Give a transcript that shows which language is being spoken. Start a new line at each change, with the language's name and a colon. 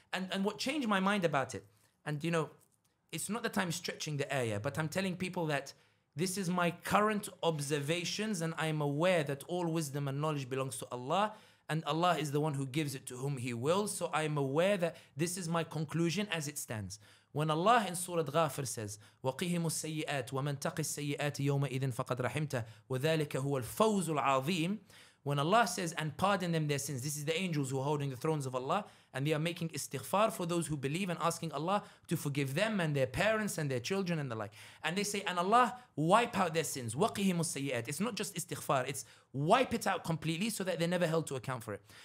English: And what changed my mind about it, and you know, it's not that I'm stretching the air, but I'm telling people that this is my current observations, and I am aware that all wisdom and knowledge belongs to Allah, and Allah is the one who gives it to whom He wills. So I am aware that this is my conclusion as it stands. When Allah in Surah Ghafir says,
Arabic: وَقِهِمُ السَّيِّئَاتِ وَمَنْ تَقِ السَّيِّئَاتِ يَوْمَئِذٍ فَقَدْ رَحِمْتَ وَذَلِكَ هُوَ الْفَوْزُ الْعَظِيمُ.
English: When Allah says, and pardon them their sins, this is the angels who are holding the thrones of Allah, and they are making istighfar for those who believe and asking Allah to forgive them and their parents and their children and the like. And they say, and Allah, wipe out their sins.
Arabic: وَقِهِمُ السَّيِّئَاتِ.
English: It's not just istighfar, it's wipe it out completely so that they're never held to account for it.